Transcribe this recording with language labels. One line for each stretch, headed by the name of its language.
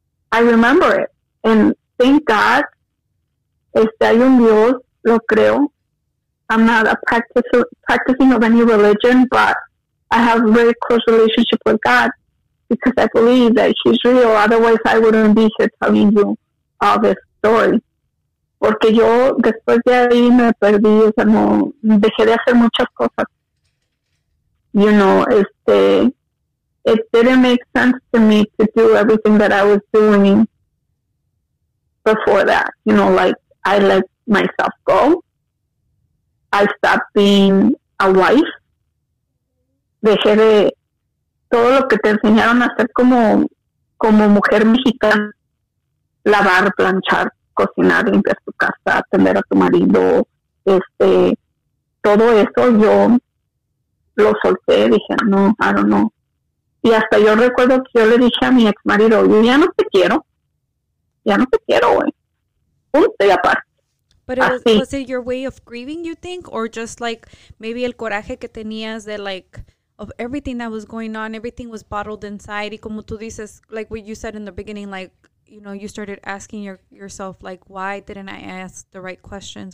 English: I remember it, and thank God,
Spanish: hay un Dios, lo creo.
English: I'm not a practicing of any religion, but I have a very close relationship with God because I believe that he's real. Otherwise, I wouldn't be here telling you all this story.
Spanish: Porque yo, después de ahí, me perdí, o sea, no, dejé de hacer muchas cosas.
English: You know, it didn't make sense to me to do everything that I was doing before that. You know, like, I let myself go. I stopped being a wife.
Spanish: Dejé de todo lo que te enseñaron a hacer como mujer mexicana. Lavar, planchar, cocinar, limpiar tu casa, atender a tu marido. Todo eso yo lo solté. Dije, no,
English: I don't know.
Spanish: Y hasta yo recuerdo que yo le dije a mi ex marido, ya no te quiero. Ya no te quiero, güey. Punto y aparte.
English: But was it your way of grieving, you think? Or just like maybe
Spanish: el coraje que tenías de
English: like... of everything that was going on, everything was bottled inside.
Spanish: Y como tú dices,
English: like what you said in the beginning, like, you know, you started asking yourself, like, why didn't I ask the right questions?